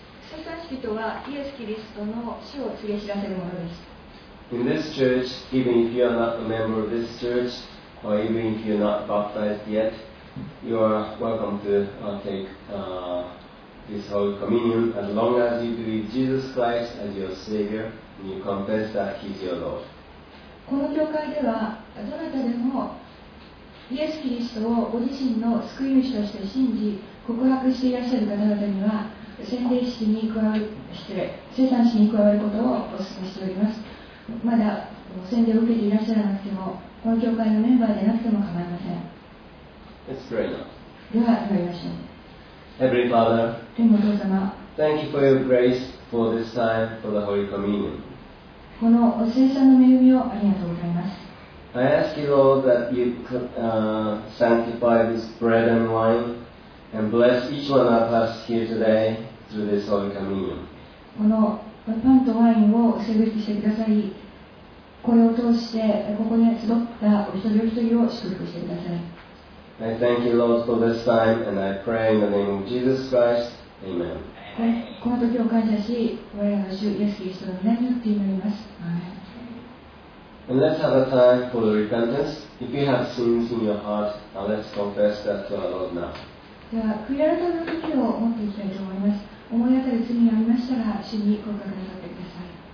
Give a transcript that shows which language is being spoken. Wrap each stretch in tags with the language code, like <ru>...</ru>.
<ja>洗礼式とはイエス・キリストの死を告げ知らせるものです。</ja> <en>In this church, even if you are not a member of this church, or even if you are not baptized yet, you are welcome to take this Holy Communion, as long as you believe Jesus Christ as your Savior and you confess that He is your Lord.</en> <ja>この教会ではどなたでもイエス・キリストをご自身の救い主として信じ告白していらっしゃる方々には洗礼式に加わる、失礼、聖餐式に加わることをお勧めしております。まだ洗礼を受けていらっしゃらなくてもこの教会のメンバーでなくても構いません。</ja> <en>Let's pray now.</en> <ja>では祈りましょう。</ja> <en>Heavenly Father, thank you for your grace for this time for the Holy Communion.</en> <ja>このお聖餐の恵みをありがとうございます。</ja> <en>I ask you, Lord, that you sanctify this bread and wine and bless each one of us here today through this Holy Communion.</en> <ja>このパンとワインをお祝福してください。これを通してここに集ったお一人お一人を祝福してください。</ja> <en>I thank you, Lord, for this time, and I pray in the name of Jesus Christ. Amen.</en> <ja>この時を感謝し、我らの主イエス・キリストの名によって祈ります。</ja> <en>And let's have a time for repentance. If you have sins in your heart, now let's confess that to our Lord now.</en> <ja>では、悔い改めの時を持っていきたいと思います。思い当たる罪がありましたら、主に告白なさってください。</ja>